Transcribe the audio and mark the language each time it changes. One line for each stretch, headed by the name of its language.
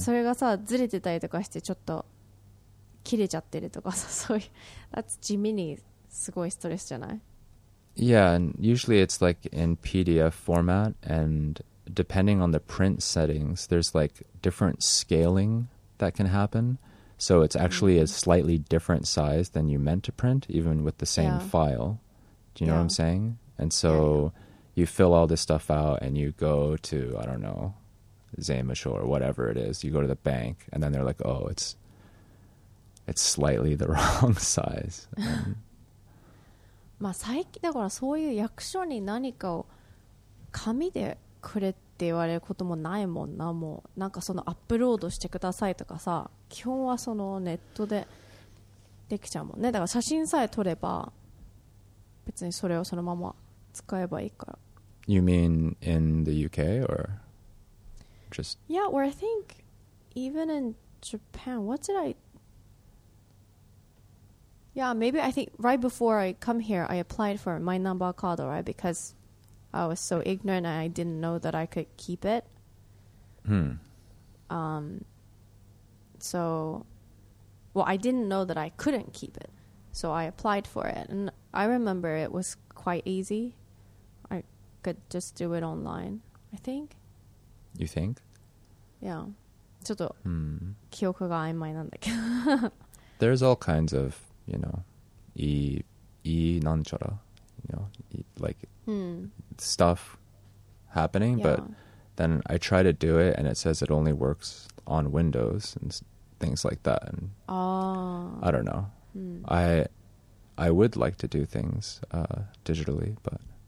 Japanese: それがさ、ずれてたりとかしてちょっと切れちゃってるとかさ、そういう、
English: that's
Japanese: 地味にすごいストレスじゃない？
English: Yeah, and usually it's like in PDF format, and depending on the print settings, there's like different scaling that can happen. So it's actually a slightly different size than you meant to print, even with the same yeah. file. Do you know yeah. what I'm saying? And so yeah, yeah. you fill all this stuff out and you go to, I don't know, Zaymisho or whatever it is. You go to the bank and then they're like, oh, it's slightly the wrong size. And,
Japanese: まあ、最近だからそういう役所に何かを紙でくれって言われることもないもんな。もうなんかそのアップロードしてくださいとかさ、基本はそのネットでできちゃうもんね。だから写真さえ撮れば別にそれをそのまま使えばいいから。
English: You mean in the UK or just Yeah, or I think even in Japan. What did I Yeah, maybe I think right before I come here, I applied for my number card, right? Because I was so ignorant and I didn't know that I could keep it. Hmm. I didn't know that I couldn't keep it. So I applied for it. And I remember it was quite easy. I could just do it online, I think. You think? Yeah.
Japanese: ちょっと記憶が曖昧なんだけど。
English: There's all kinds of... You know, e
Japanese: なんちゃら,
English: you know, like stuff happening, yeah. but then I try to do it and it says it only works on Windows and things like that. And I don't know. I would like to do things digitally, but